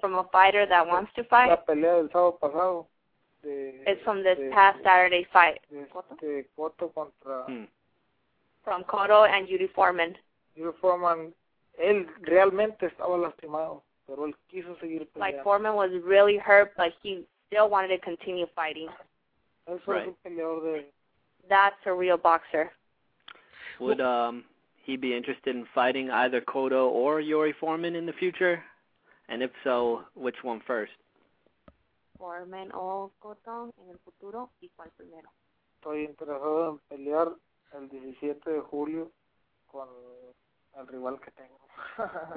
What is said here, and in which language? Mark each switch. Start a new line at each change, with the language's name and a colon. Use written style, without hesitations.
English: from a fighter that wants to fight.
Spanish: La pelea del sábado pasado
English: it's from this past Saturday fight
Spanish: Cotto contra
English: from Cotto and Yuri Foreman.
Spanish: Yuri Foreman, él realmente estaba lastimado, pero él quiso seguir peleando.
English: Like Foreman was really hurt, but he still wanted to continue fighting.
Spanish: Eso right. Es un peleador de...
English: That's a real boxer. Would he be interested in fighting either Cotto or Yuri Foreman in the future? And if so, which one first?
Spanish: Foreman o Cotto en el futuro, ¿y cuál primero? Estoy interesado en pelear el 17 de julio con el rival que tengo.